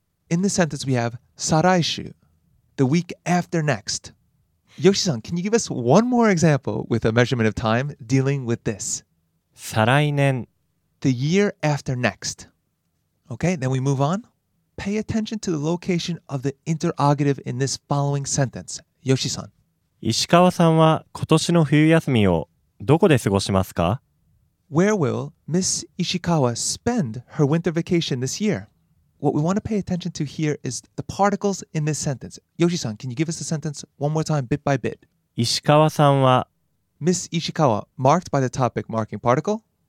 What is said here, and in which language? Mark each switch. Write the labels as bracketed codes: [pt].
[en] In the sentence we have, 再来週, the week after next. Yoshi-san, can you give us one more example with a measurement of time dealing with this? [ja] 再来年, [en] the year after next. Okay, then we move on. Pay attention to the location of the interrogative in this following sentence. Yoshi-san. [ja] 石川さんは今年の冬休みをどこで過ごしますか? [en] Where will Miss Ishikawa spend her winter vacation this year? What we want to pay attention to here is the particles in this sentence. Yoshi-san, can you give us the sentence one more time, bit by bit? [ja] 石川さんは [en] Miss Ishikawa, marked by the topic marking particle.